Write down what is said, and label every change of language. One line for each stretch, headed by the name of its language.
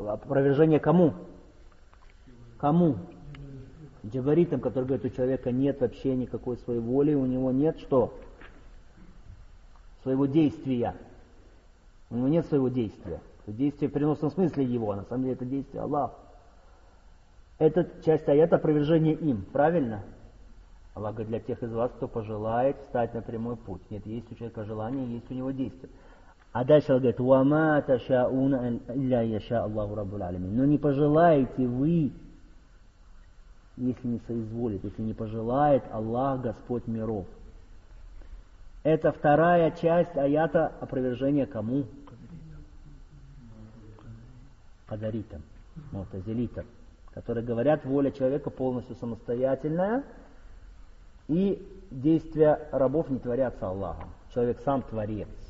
Russian: Опровержение кому? Кому? Джабаритам, который говорит, у человека нет вообще никакой своей воли, у него нет что? Своего действия. У него нет своего действия. Действие в переносном смысле его, на самом деле это действие Аллах. Эта часть аята опровержение им, правильно? Аллах говорит, для тех из вас, кто пожелает встать на прямой путь. Нет, есть у человека желание, есть у него действие. А дальше он говорит,
Arabic: وَمَا تَشَاءُونَ إِلَّا يَشَاءَ اللَّهُ رَبُّ الْعَالَمِينَ.
Russian: Но не пожелаете вы, если не соизволит, если не пожелает Аллах, Господь миров. Это вторая часть аята опровержения кому? Кадаритам. Мутазилитам. Которые говорят, воля человека полностью самостоятельная, и действия рабов не творятся Аллахом. Человек сам творец.